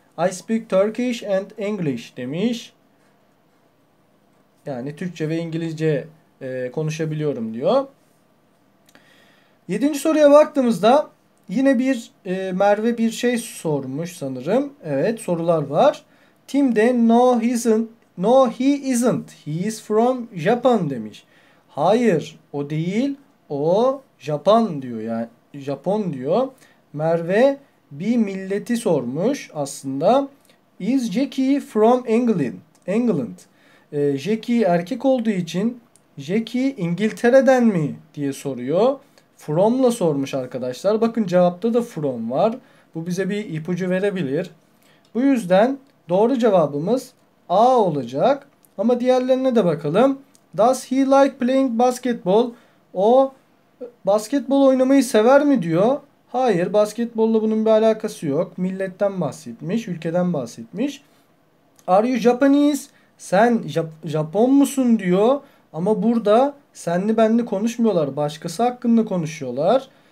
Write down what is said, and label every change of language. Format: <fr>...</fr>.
<en>I speak Turkish and English</en> <tr>demiş. Yani Türkçe ve İngilizce konuşabiliyorum diyor. Yedinci soruya baktığımızda yine bir Merve bir şey sormuş sanırım. Evet sorular var. Tim de</tr> <en>no he isn't. He is from Japan demiş.</en> <tr>Hayır o değil. O Japan diyor yani Japon diyor. Merve bir milleti sormuş aslında.</tr> <en>Is Jackie from England? England.</en> <tr>Jackie erkek olduğu için Jackie İngiltere'den mi diye soruyor. From'la sormuş arkadaşlar. Bakın cevapta da from var. Bu bize bir ipucu verebilir. Bu yüzden doğru cevabımız A olacak. Ama diğerlerine de bakalım.</tr> <en>Does he like playing basketball?</en> <tr>O basketbol oynamayı sever mi diyor. Hayır, basketbolla bunun bir alakası yok. Milletten bahsetmiş, ülkeden bahsetmiş.</tr> <en>Are you Japanese?</en> <tr>Sen Japon musun diyor. Ama burada senli benli konuşmuyorlar. Başkası hakkında konuşuyorlar.</tr>